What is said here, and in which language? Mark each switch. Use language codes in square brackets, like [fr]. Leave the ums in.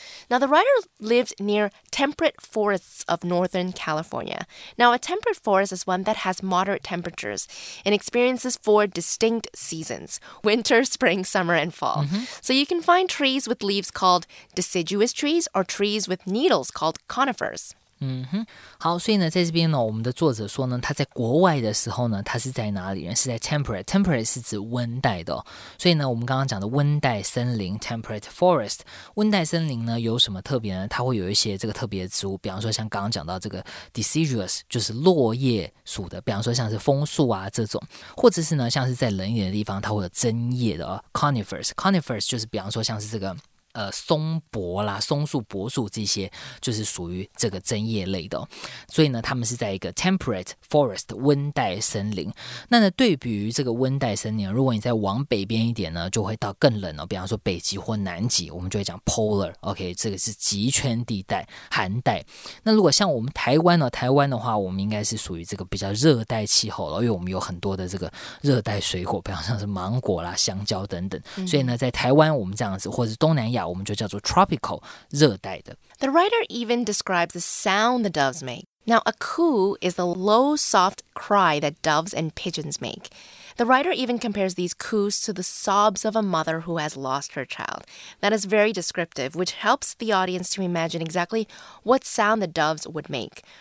[en] Now, the writer lived near temperate forests of Northern California. Now, a temperate forest is one that has moderate temperatures and experiences four distinct seasons winter, spring, summer, and fall. Mm -hmm. So, you can find trees with leaves called deciduous trees trees or trees with needles called conifers. [zh] 嗯哼，好，所以呢，在这边呢，我们的作者说呢，他在国外的时候呢，他是在哪里？是在 temperate，temperate 是指温带的、哦，所以呢，我们刚刚讲的温带森林 temperate forest，温带森林呢有什么特别呢？它会有一些这个特别的植物，比方说像刚刚讲到这个 deciduous，就是落叶属的，比方说像是枫树啊这种，或者是呢像是在冷一点的地方，它会有针叶的、哦、conifers，conifers 就是比方说像是这个。呃，松柏啦、松树、柏树这些，就是属于这个针叶类的、哦。所以呢，它们是在一个 temperate forest 温带森林。那呢，对比于这个温带森林，如果你再往北边一点呢，就会到更冷了、哦。比方说北极或南极，我们就会讲 polar，OK，、okay, 这个是极圈地带、寒带。那如果像我们台湾呢，台湾的话，我们应该是属于这个比较热带气候了，因为我们有很多的这个热带水果，比方像是芒果啦、香蕉等等。嗯、所以呢，在台湾我们这样子，或者东南亚。亚，我们就叫做 tropical 热带的。 [en] The writer even describes the sound the doves make. Now, a coo is the low, soft cry that doves and pigeons make. The writer even compares these coos to the sobs of a mother who has lost her child. That is very descriptive, which helps the audience to imagine exactly what sound the doves would make.